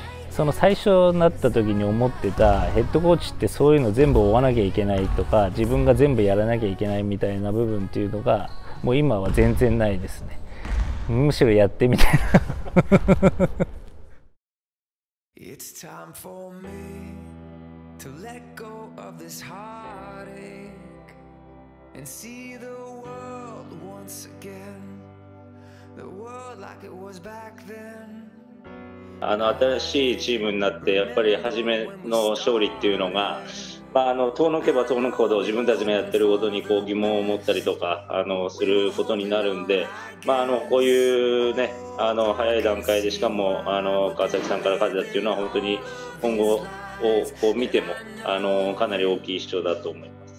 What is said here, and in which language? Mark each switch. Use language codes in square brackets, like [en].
[ja] その最初になった時に思ってたヘッドコーチってそういうの全部追わなきゃいけないとか、自分が全部やらなきゃいけないみたいな部分っていうのがもう今は全然ないですね。むしろやってみたいな。 [en] It's time for me to let go of this heartache and see the world once again, the world like it was back then。 [ja] 新しいチームになってやっぱり初めの勝利っていうのが、まあ、遠のけば遠のくほど自分たちがやってることにこう疑問を持ったりとかすることになるんで、まあ、こういうね、早い段階でしかも川崎さんから勝てたっていうのは本当に今後をこう見てもかなり大きい主張だと思います。